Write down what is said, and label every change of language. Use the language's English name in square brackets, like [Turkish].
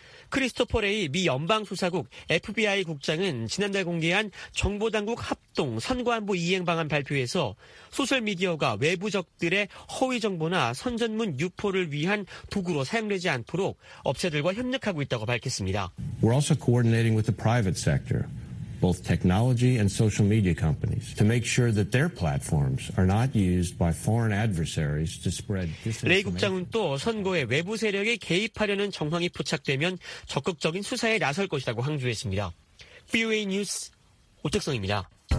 [Korean] 크리스토퍼 레이 미 연방수사국 FBI 국장은 지난달 공개한 정보당국 합동 선거안보 이행방안 발표에서 소셜미디어가 외부적들의 허위정보나 선전문 유포를 위한 도구로 사용되지 않도록 업체들과 협력하고 있다고 밝혔습니다. [English] We're also coordinating with the private sector. Both technology and social media companies to make sure that their platforms are not used by foreign adversaries to spread disinformation. [Korean] 레이 국장은 또 선거에 외부 세력이 개입하려는 정황이 포착되면 적극적인 수사에 나설 것이라고 강조했습니다. VOA 뉴스 오택성입니다.